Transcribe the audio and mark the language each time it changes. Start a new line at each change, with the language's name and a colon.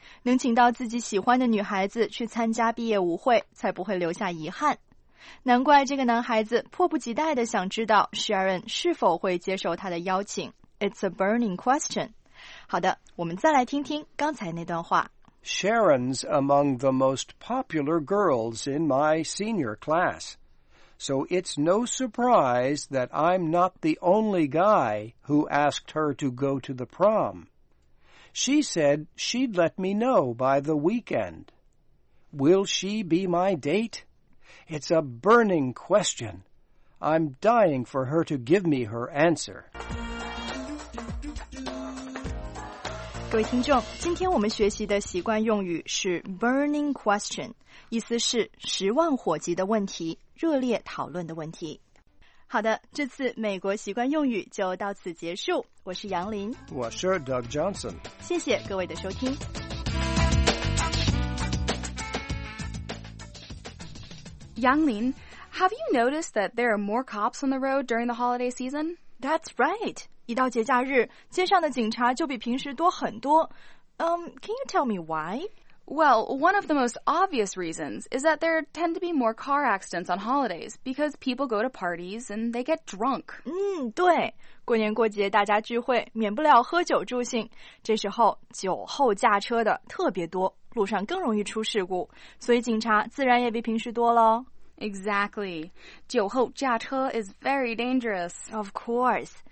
Chinese: 能请到自己喜欢的女孩子去参加毕业舞会，才不会留下遗憾。难怪这个男孩子迫不及待地想知道 Sharon 是否会接受他的邀请。
English: It's a burning question.
Chinese: 好的，我们再来听听刚才那段话。
English: Sharon's among the most popular girls in my senior class. So it's no surprise that I'm not the only guy who asked her to go to the prom. She said she'd let me know by the weekend. Will she be my date? It's a burning question. I'm dying for her to give me her answer.
Chinese: 各位听众，今天我们学习的习惯用语是 burning question， 意思是十万火急的问题，热烈讨论的问题。好的，这次美国习惯用语就到此结束。我是杨林，我是 Doug Johnson，谢谢各位的收听。
English: 杨林， have you noticed that there are more cops on the road during the holiday season? That's right.
Chinese: 一到节假日，街上的警察就比平时多很多。
English: Can you tell me why? Well, one of the most obvious reasons is that there tend to be more car accidents on holidays because people go to parties and they get drunk.
Chinese: 对，过年过节大家聚会，免不了喝酒助兴。这时候酒后驾车的特别多，路上更容易出事故，所以警察自然也比平时多了。
English: Exactly.
Chinese: 酒后驾车
English: is very dangerous. Of course.